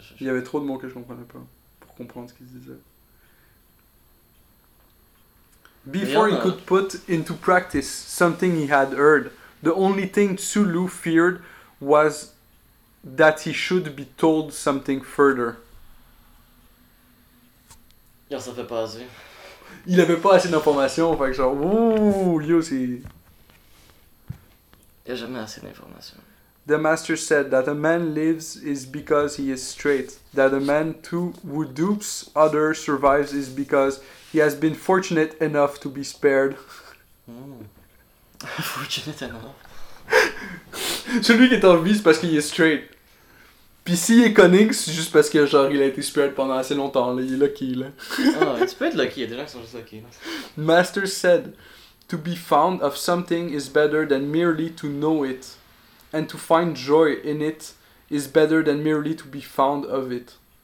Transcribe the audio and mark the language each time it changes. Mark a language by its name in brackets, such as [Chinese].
[French] Il y avait trop de mots que je comprenais pas pour comprendre ce qu'il disait. [English] Before he could put into practice something he had heard, the only thing Tzu Lu feared was that he should be told something further. [French] Ça fait pas assez. Il avait pas assez d'informations, fait que genre, ouh, yo, c'est... Il y a jamais assez d'informations. [English] The master said that a man lives is because he is straight. That a man too who dupes others survives is because he has been fortunate enough to be spared. Mm. Fortunate enough? [French] Celui qui est en vie, c'est parce qu'il est straight. Pis s'il est conning, c'est juste parce que genre il a été spared pendant assez longtemps, là, il est lucky, là. Ah, tu peux être lucky, il y a des gens qui sont juste lucky, là. [English] Master said, to be found of something is better than merely to know it, and to find joy in it is better than merely to be found of it.